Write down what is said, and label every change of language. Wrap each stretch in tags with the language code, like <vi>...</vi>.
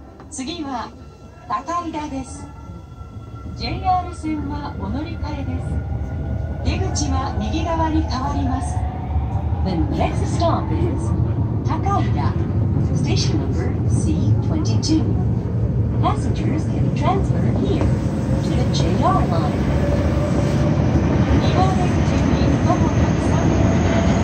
<ja>次は高井田です。 JR 線はお乗り換えです。出口は右側に変わります。</ja> <en>The next stop is 高井田。 Station number C22. Passengers can transfer here to the JR line.</en> <ja>2号出口に徒歩約3分です。</ja>